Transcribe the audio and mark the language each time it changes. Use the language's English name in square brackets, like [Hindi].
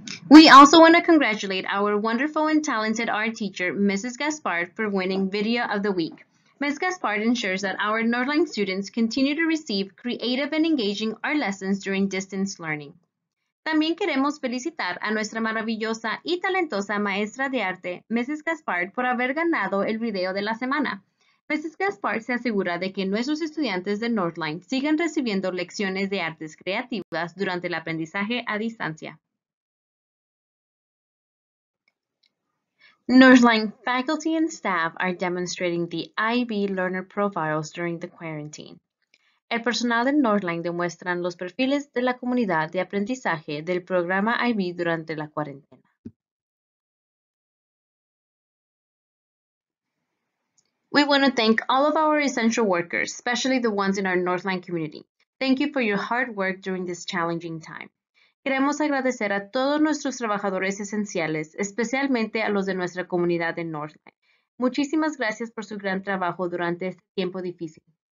[English] We also want to congratulate our wonderful and talented art teacher, Mrs. Gaspard, for winning Video of the Week. Ms. Gaspard ensures that our Northline students continue to receive creative and engaging art lessons during distance learning. [Spanish] También queremos felicitar a nuestra maravillosa y talentosa maestra de arte, Mrs. Gaspard, por haber ganado el video de la semana. Mrs. Gaspard se asegura de que nuestros estudiantes de Northline sigan recibiendo lecciones de artes creativas durante el aprendizaje a distancia. [English] Northline faculty and staff are demonstrating the IB learner profiles during the quarantine. [Spanish] El personal de Northline demuestran los perfiles de la comunidad de aprendizaje del programa IB durante la cuarentena. [English] We want to thank all of our essential workers, especially the ones in our Northline community. Thank you for your hard work during this challenging time. [Spanish] Queremos agradecer a todos nuestros trabajadores esenciales, especialmente a los de nuestra comunidad de Northline. Muchísimas gracias por su gran trabajo durante este tiempo difícil.